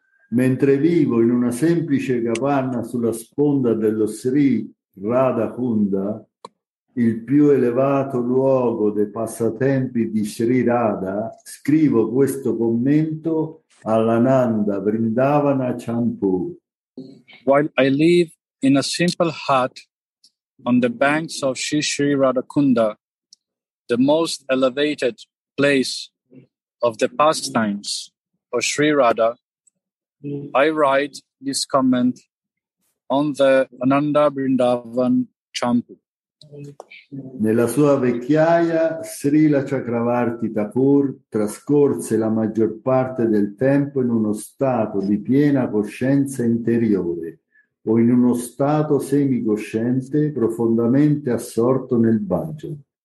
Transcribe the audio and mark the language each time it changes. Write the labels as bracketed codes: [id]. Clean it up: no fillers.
[it] Mentre vivo in una semplice capanna sulla sponda dello Sri Radha Kunda, il più elevato luogo dei passatempi di Sri Radha, scrivo questo commento all'Ananda Vrindavana Champu. [en] While I live in a simple hut on the banks of Sri Sri Radha Kunda, the most elevated place of the pastimes of Sri Radha, I write this comment on the Ananda Vrindavan Champu. [it] Nella sua vecchiaia, Srila Chakravarti Thakur trascorse la maggior parte del tempo in uno stato di piena coscienza interiore o in uno stato semicosciente profondamente assorto nel bhajan.